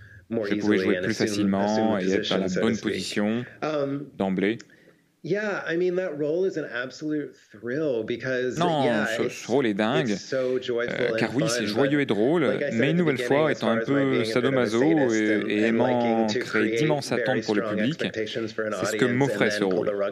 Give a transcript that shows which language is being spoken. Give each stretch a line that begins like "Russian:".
French: Je pouvais jouer plus facilement et être dans la bonne position d'emblée.
English: Yeah, I mean that role is an absolute thrill because
French: non,
English: yeah,
French: ce rôle est dingue.
English: It's so joyful and
French: car oui, c'est
English: fun,
French: joyeux et drôle, like mais une nouvelle fois, étant un peu sadomaso et aimant créer d'immenses attentes pour le public, c'est ce que m'offrait ce rôle.